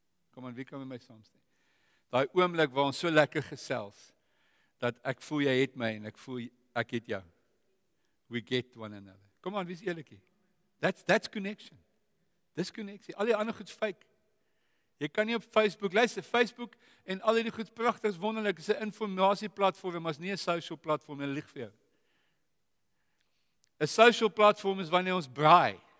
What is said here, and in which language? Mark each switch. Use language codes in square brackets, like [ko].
[af] Kom aan, wie kan met my saamstem? Daai oomblik waar ons so lekker gesels, dat ek voel jy het my en ek voel ek het jou. [en] We get one another. [af] Kom aan, wees eerlik hier. [en] That's connection. [af] Dis connectie. Al die ander goed is fake. Jy kan nie op Facebook, luister, Facebook en al die goed prachtig is wonderlik, is 'n informatie platform, maar is nie 'n social platform, en lieg vir jou. Een social platform is wanneer ons braai.